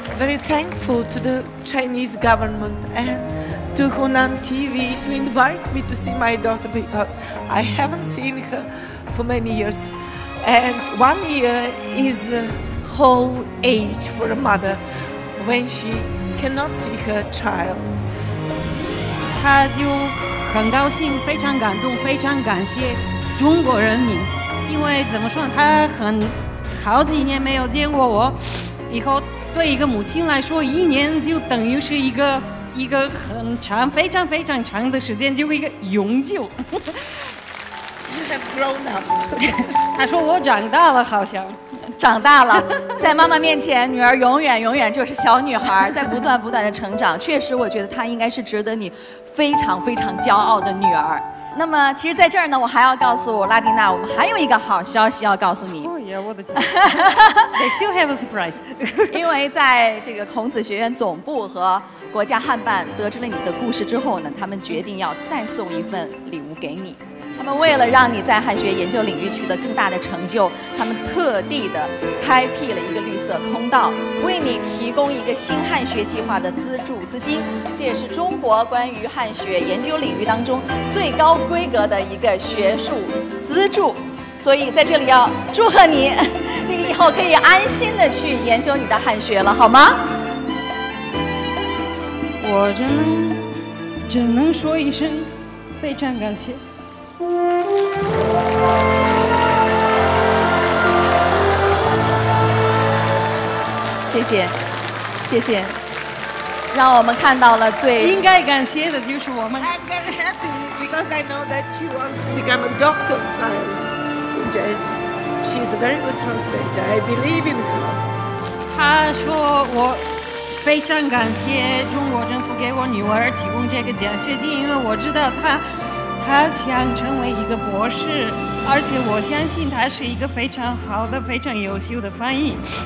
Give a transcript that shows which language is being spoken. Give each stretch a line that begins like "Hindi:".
English: Very thankful to the Chinese government and to Hunan TV to invite me to see my daughter because I haven't seen her for many years. And 1 year is a whole age for a mother when she cannot see her child.
Chinese: 她就很高兴，非常感动，非常感谢中国人民，因为怎么说，她很好几年没有见过我，以后对一个母亲来说，1年就等于是一个很长、非常非常长的时间，就一个永久。
English: You have grown up.
Chinese: 他说我长大了，好像长大了，在妈妈面前，女儿永远永远就是小女孩，在不断不断的成长。确实，我觉得她应该是值得你非常非常骄傲的女儿。那么，其实在这儿呢，我还要告诉拉迪娜，我们还有一个好消息要告诉你。
English: Yeah, what the They still have a surprise.
Chinese: 因为在这个孔子学院总部和国家汉办得知了你的故事之后呢，他们决定要再送一份礼物给你。他们为了让你在汉学研究领域取得更大的成就，他们特地的开辟了一个绿色通道，为你提供一个新汉学计划的资助资金。这也是中国关于汉学研究领域当中最高规格的一个学术资助。所以在这里要祝贺你，你以后可以安心的去研究你的汉学了，好吗？我只能说一声非常感谢。谢谢。谢谢，让我们看到了最应该感谢的就是我们。
English: I'm very happy because I know that she wants to become a doctor of science. She's a very good translator. I believe in her.
Chinese: 她说我非常感谢中国政府给我女儿提供这个奖学金，因为我知道她想成为一个博士，而且我相信她是一个非常好的、非常优秀的翻译。